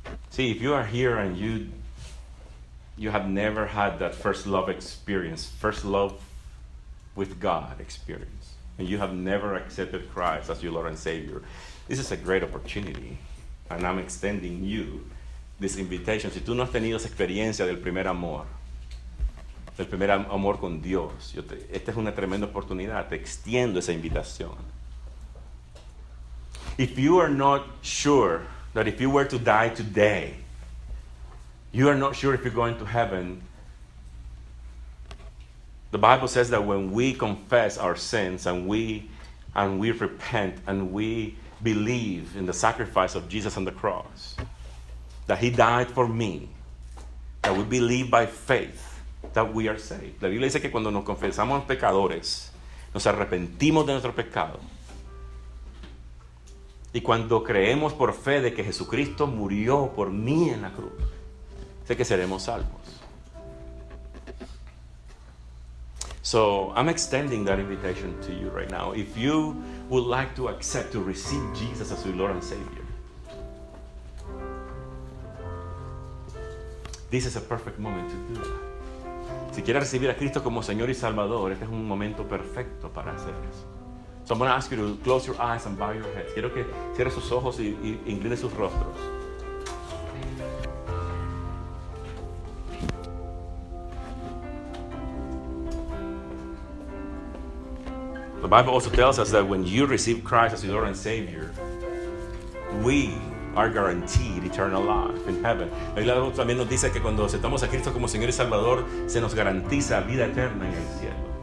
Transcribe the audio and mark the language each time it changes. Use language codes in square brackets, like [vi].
[en] See, if you are here and you have never had that first love experience, first love with God experience, and you have never accepted Christ as your Lord and Savior, this is a great opportunity, and I'm extending you this invitation. [es] Si tú no has tenido esa experiencia del primer amor con Dios, esta es una tremenda oportunidad, te extiendo esa invitación. [en] If you are not sure that if you were to die today, you are not sure if you're going to heaven. The Bible says that when we confess our sins and we repent and we believe in the sacrifice of Jesus on the cross, that he died for me, that we believe by faith that we are saved. [es] La Biblia dice que cuando nos confesamos pecadores, nos arrepentimos de nuestro pecado. Y cuando creemos por fe de que Jesucristo murió por mí en la cruz, sé que seremos salvos. [en] So, I'm extending that invitation to you right now. If you would like to accept, to receive Jesus as your Lord and Savior, this is a perfect moment to do that. [es] Si quieres recibir a Cristo como Señor y Salvador, este es un momento perfecto para hacer eso. [en] So I'm going to ask you to close your eyes and bow your heads. [es] Quiero que cierres sus ojos y incline sus rostros. [en] The Bible also tells us that when you receive Christ as your Lord and Savior, we are guaranteed eternal life in heaven. [es] La Biblia también nos dice que cuando aceptamos a Cristo como Señor y Salvador, se nos garantiza vida eterna en el cielo.